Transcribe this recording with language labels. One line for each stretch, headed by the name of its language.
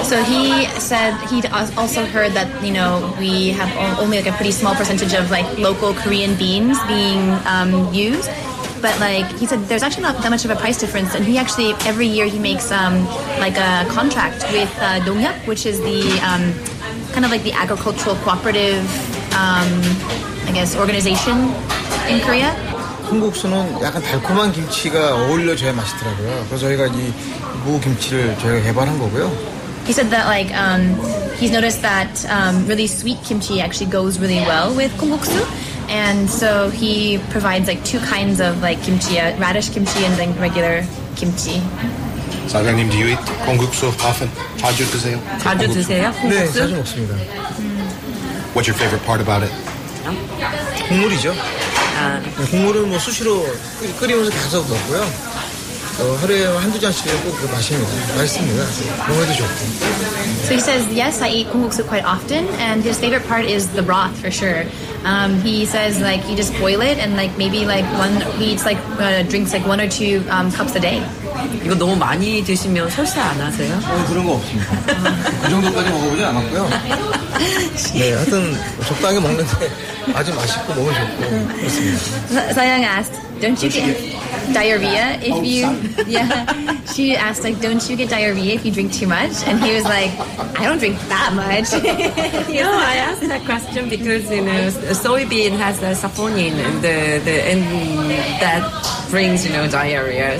English: So he said he'd also heard that, you know, we have only like a pretty small percentage of like local Korean beans being used. But like he said, there's actually not that much of a price difference. And he actually, every year he makes like a contract with Donghyeop, which is the kind of like the agricultural cooperative, I guess, organization in Korea.
Korean: 콩국수는 약간 달콤한 김치가 어울려져야 맛있더라고요. 그래서 저희가 이 무 김치를 저희가 개발한 거고요.
English: He said that like he's noticed that really sweet kimchi actually goes really well with konguksu, and so he provides like two kinds of like kimchi, radish kimchi and then regular kimchi. 사장님, do you eat konguksu often?
Korean: 자주 드세요? 자주 드세요? 네, 자주 먹습니다.
English: What's your favorite part about it?
Korean: 국물이죠. 국물은 뭐 수시로 끓이면서 계속 먹고요. 하루에 한두 잔씩 꼭 마십니다. 맛있습니다. 몸에도 좋고.
English: So he says, yes, I eat 콩국수 quite often, and his favorite part is the broth, for sure. He says like you just boil it and like maybe like one he eats like drinks like one or two cups a day.
Korean: 이거 너무 많이 드시면 설사 안 하세요? 그런 거 없습니다. 그 정도까지 먹어보지 않았고요. 네, 하여튼 적당히 먹는데 아주 맛있고 너무 좋고 그렇습니다.
English: Soyoung asked, "Don't you get diarrhea if you?" Yeah, she asked like, "Don't you get diarrhea if you drink too much?" And he was like, "I don't drink that much." No, I asked that question because you know soybean has the saponin and the and that brings you know diarrhea.